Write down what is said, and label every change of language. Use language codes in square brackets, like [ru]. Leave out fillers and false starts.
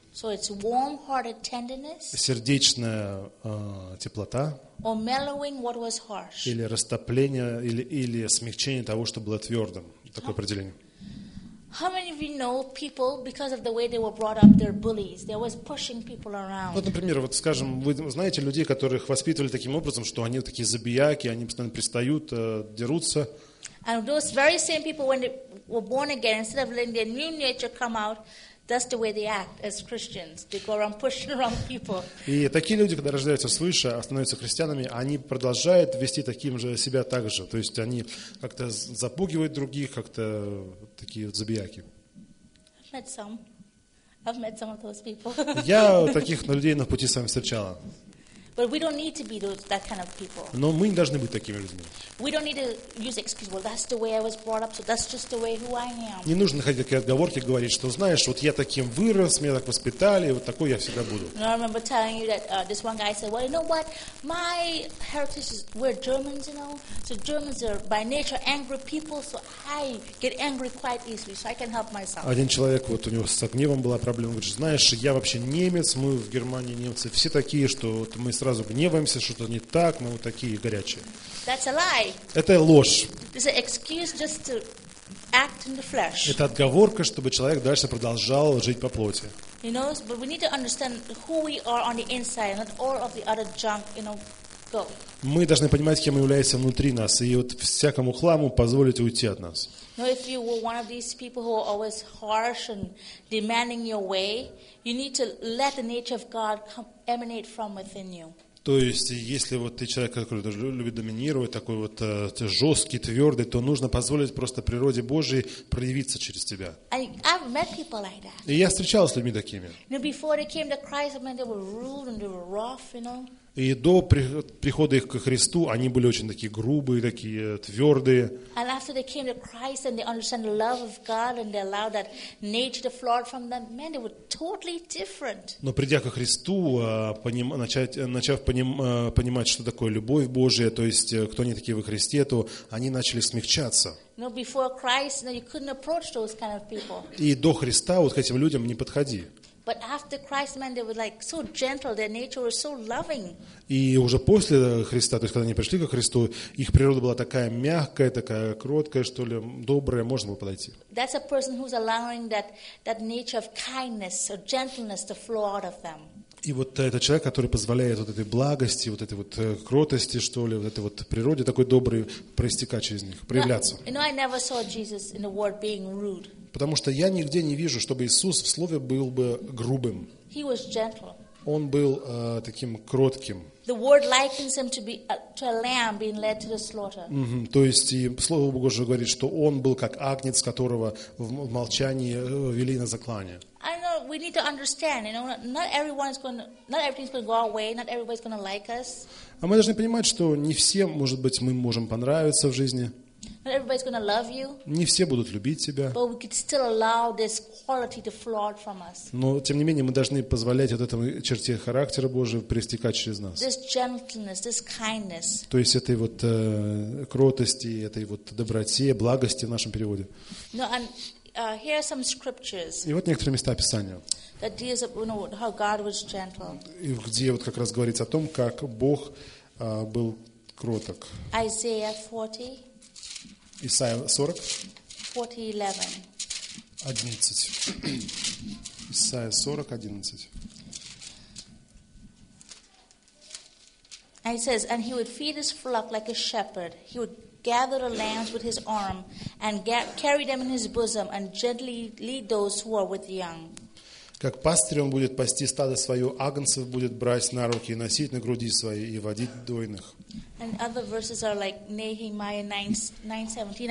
[en] So it's warm-hearted tenderness. [ru] Сердечная теплота. [en] Or mellowing what was harsh. [ru] Или растопление, или смягчение того, что было твердым. Такое определение. [en] How many of you know people because of the way they were brought up, they're bullies. They're always pushing people around. [ru] Вот, например, вот, скажем, вы знаете людей, которых воспитывали таким образом, что они такие забияки, они постоянно пристают, дерутся. [en] And those very same people, when they were born again, instead of letting their new nature come out, that's the way they act as Christians. They go around pushing around people. [ru] И такие люди, когда рождаются свыше, становятся христианами, они продолжают вести таким же себя также. То есть они как-то запугивают других, как-то такие вот забияки. [en] I've met some of those people. [ru] Я таких людей на пути своем встречала. [en] But we don't need to be that kind of people. [ru] Но мы не должны быть такими людьми. [en] We don't need to use excuses. Well, that's the way I was brought up, so that's just the way who I am. [ru] Не нужно находить такие отговорки, говорить, что знаешь, вот я таким вырос, меня так воспитали, вот такой я всегда буду. [en] I remember telling you that this one guy said, well, you know what? My heritage is we're Germans, you know. So Germans are by nature angry people, so I get angry quite easily, so I can help myself. [ru] Один человек вот у него с гневом была проблема, говорит, знаешь, я вообще немец, мы в Германии немцы, все такие, что вот мы сразу гневаемся, что-то не так, мы вот такие горячие. [en] That's a lie. [ru] Это ложь. [en] It's an excuse just to act in the flesh. [ru] Это отговорка, чтобы человек дальше продолжал жить по плоти. [en] You know, but we need to understand who we are on the inside, not all of the other junk, you know, go. [ru] Мы должны понимать, кем мы являемся внутри нас, и вот всякому хламу позволить уйти от нас. [en] Now, if you were one of these people who are always harsh and demanding your way, you need to let the nature of God come, emanate from within you. [ru] То есть, если вот ты человек, который любит доминировать, такой вот жесткий, твердый, то нужно позволить просто природе Божией проявиться через тебя. [en] I've met people like that. [ru] И я встречался с людьми такими. [en] Now, before they came to Christ, I mean, they were rude and they were rough, you know. [ru] И до прихода их ко Христу они были очень такие грубые, такие твердые. [en] And after they came to Christ and they understand the love of God and they allowed that nature to flow from them, man, they were totally different. [ru] Но придя ко Христу, начав понимать, что такое любовь Божия, то есть кто они такие во Христе, то они начали смягчаться. [en] No, before Christ, you couldn't approach those kind of people. [ru] И до Христа вот к этим людям не подходи. [en] But after Christ, man, they were like so gentle. Their nature was so loving. [ru] И уже после Христа, то есть когда они пришли ко Христу, их природа была такая мягкая, такая кроткая, что ли, добрая, можно было подойти. [en] That's a person who's allowing that nature of kindness or gentleness to flow out of them. [ru] И вот этот человек, который позволяет вот этой благости, вот этой вот кротости, что ли, вот этой вот природе такой доброй проистекать через них, проявляться. [en] You know, I never saw Jesus in the Word being rude. [ru] Потому что я нигде не вижу, чтобы Иисус в Слове был бы грубым. [en] He was gentle. [ru] Он был таким кротким. [en] The Word likens him to be to a lamb being led to the slaughter. [ru] То есть и Слово Божие говорит, что он был как агнец, которого в молчании вели на заклание. [en] I know we need to understand, you know, not everything's going to go our way, not everybody's going to like us. [ru] А мы должны понимать, что не всем, может быть, мы можем понравиться в жизни. [en] Not everybody's going to love you. [ru] Не все будут любить тебя. [en] But we could still allow this quality to flow out from us. [ru] Но тем не менее мы должны позволять вот этому черте характера Божьего проистекать через нас. [en] This gentleness, this kindness. [ru] То есть этой вот кротости, этой вот доброте, благости в нашем переводе. [en] No, and here are some scriptures. [ru] И вот некоторые места Писания. [en] That deals with, you know, how God was gentle. [ru] И где вот как раз говорится о том, как Бог был кроток. [en] Isaiah 40. [ru] Исайя 40. [en] 40:11. [ru] 11. Исайя 40:11. [en] And it says, and he would feed his flock like a shepherd. He would gather the lambs with his arm and carry them in his bosom and gently lead those who are with the young. [ru] Как пастырь он будет пасти стадо свое, агнцев будет брать на руки и носить на груди свои и водить дойных. [en] And other verses are like Nehemiah 9:17.